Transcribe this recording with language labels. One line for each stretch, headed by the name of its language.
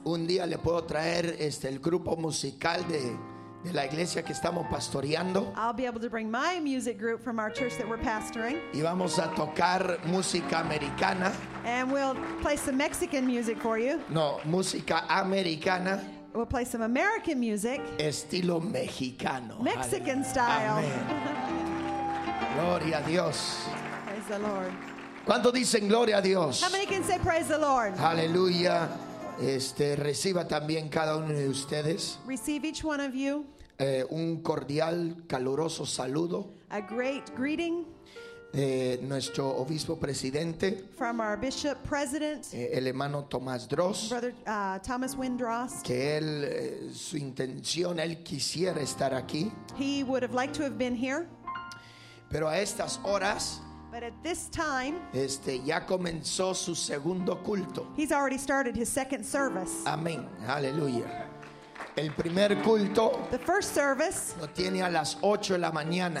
Spanish: Un día le puedo traer el grupo musical de la iglesia que estamos pastoreando.
English: I'll be able to bring my music group from our church that we're pastoring.
Spanish: Y vamos a tocar música americana.
English: And we'll play some Mexican music for you.
Spanish: No, música americana.
English: We'll play some American music.
Spanish: Estilo mexicano.
English: Mexican style.
Spanish: Amén. Gloria a Dios.
English: Praise the Lord.
Spanish: ¿Cuántos dicen gloria a Dios?
English: How many can say praise the Lord?
Spanish: Aleluya. Reciba también cada uno de ustedes.
English: Receive each one of you.
Spanish: Un cordial, caluroso saludo.
English: A great greeting.
Spanish: Nuestro obispo presidente.
English: From our bishop president.
Spanish: El hermano Tomás Dross.
English: Brother Thomas Wynn Dross.
Spanish: Que él, su intención, él quisiera estar aquí.
English: He would have liked to have been here.
Spanish: Pero a estas horas.
English: But at this time,
Spanish: ya comenzó su segundo culto.
English: He's already started his second service.
Spanish: Amén. Hallelujah. El primer culto,
English: the first service,
Spanish: lo tiene a las 8 de la mañana.